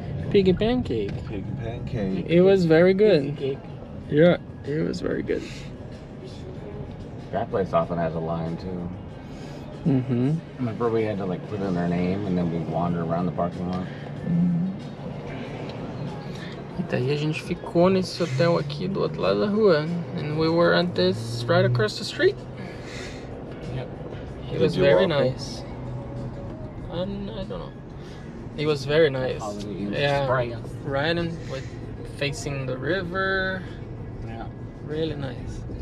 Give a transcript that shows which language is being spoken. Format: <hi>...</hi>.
<en>Piggy pancake. Piggy pancake. It was very good. Pancake. Yeah, it was very good. That place often has a line too. Mm-hmm. Remember we had to like put in our name and then we'd wander around the parking lot? Mm-hmm.</en> <pt>E daí a gente ficou nesse hotel aqui do outro lado da rua.</pt> <en>And we were at this right across the street. Yep. It was very nice. And I don't know. It was very nice. Yeah, riding with facing the river. Yeah, really nice.</en>